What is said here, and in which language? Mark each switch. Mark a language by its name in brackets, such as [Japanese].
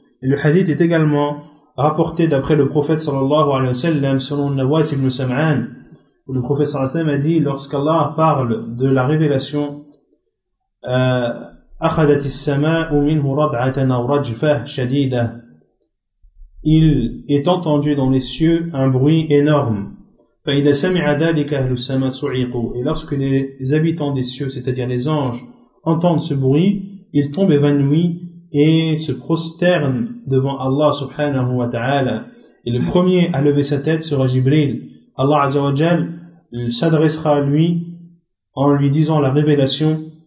[French] Et le hadith est également rapporté d'après le prophète sallallahu alayhi wa sallam selon Nawas ibn Sam'an, où le prophète sallallahu alayhi wa sallam a dit, lorsqu'Allah parle de la révélation, [Arabic] أخذت السماء منه ردعة أو رجفة شديدة. [French] Il est entendu dans les cieux un bruit énorme. [Arabic] فإذا سمع ذلك أهل السماء صعقوا. [French] Et lorsque les habitants des cieux, c'est-à-dire les anges, entendent ce bruit, ils tombent évanouis et se prosternent devant Allah subhanahu wa ta'ala. Et le premier à lever sa tête sera Jibril. Allah azza wa jal s'adressera à lui en lui disant la révélation.